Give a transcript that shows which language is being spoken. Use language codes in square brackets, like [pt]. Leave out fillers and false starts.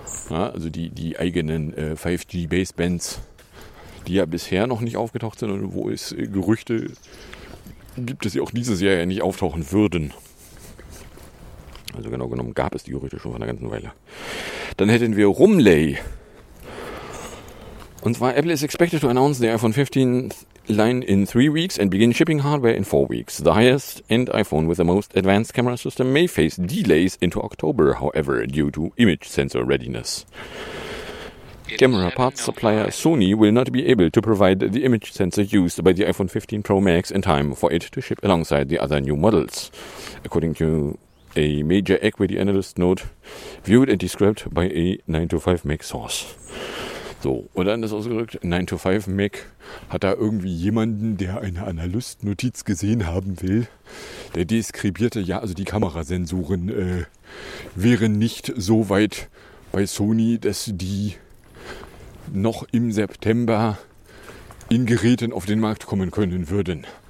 [de] Ja, also die eigenen 5G-Basebands, die ja bisher noch nicht aufgetaucht sind und wo es Gerüchte gibt, dass sie auch dieses Jahr ja nicht auftauchen würden. Also genau genommen gab es die Gerüchte schon von einer ganzen Weile. Dann hätten wir Rumley. Und zwar, [en] Apple is expected to announce the iPhone 15 line in 3 weeks and begin shipping hardware in 4 weeks. The highest-end iPhone with the most advanced camera system may face delays into October, however, due to image sensor readiness. Camera parts supplier Sony will not be able to provide the image sensor used by the iPhone 15 Pro Max in time for it to ship alongside the other new models, according to a major equity analyst note viewed and described by a 9to5 Mac source. [de] So, oder anders ausgedrückt, 9to5 Mac hat da irgendwie jemanden, der eine Analystnotiz gesehen haben will, der deskribierte, ja, also die Kamerasensoren wären nicht so weit bei Sony, dass die noch im September in Geräten auf den Markt kommen können würden.